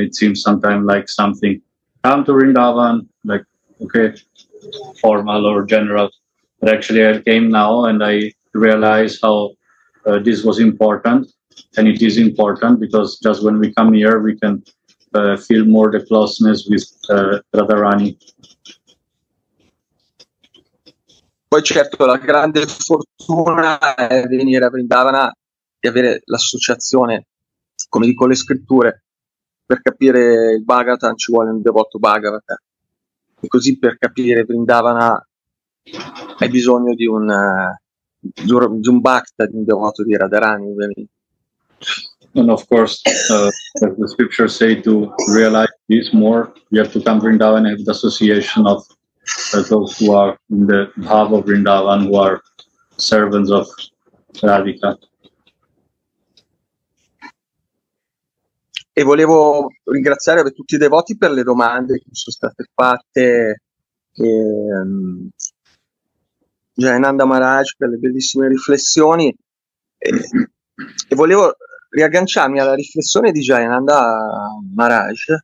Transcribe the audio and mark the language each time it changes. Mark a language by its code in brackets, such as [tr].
[en] It seems sometimes like something, come to Vrindavan, like, okay, formal or general. But actually I came now and I realized how this was important. And it is important because just when we come here, we can feel more the closeness with Radharani. [it] Poi certo, la grande fortuna è venire a Vrindavana e avere l'associazione, come dico, le scritture, per capire il Bhagavatam ci vuole un devoto Bhagavata. E così per capire Vrindavana hai bisogno di un Bhakta, di un devoto di Radharani, ovviamente. [en] And of course, the scriptures say to realize this more, you have to come Vrindavana and the association of those who are in the bhava of Vrindavan, who are servants of Radhika. [it] E volevo ringraziare tutti i devoti per le domande che sono state fatte, Jayananda Maharaj per le bellissime riflessioni, e volevo riagganciarmi alla riflessione di Jayananda Maharaj.